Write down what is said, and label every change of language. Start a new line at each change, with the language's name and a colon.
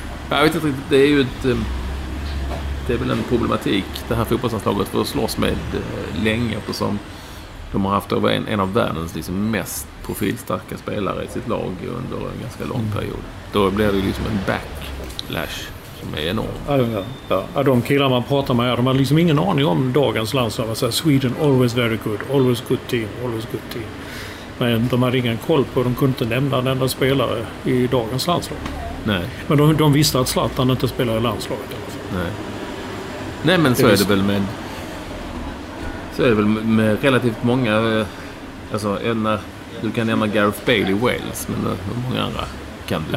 Swedish: Jag vet inte, det är ju ett... Det är väl en problematik det här fotbollslandslaget får slåss med länge, eftersom de har haft en av världens liksom mest profilstarka spelare i sitt lag under en ganska lång period. Då blir det liksom en backlash som är enorm. Ja, de killar man pratar med, de har liksom ingen aning om dagens landslag. Så här,
English: Sweden always very good, always good team, always good team.
Swedish: Men de har ingen koll på, de kunde inte nämna en enda spelare i dagens landslag. Nej. Men de visste att Zlatan inte spelar i landslaget. Nej, men så är det väl med relativt många, alltså när, du kan nämna Gareth Bale i Wales, men hur många andra kan du?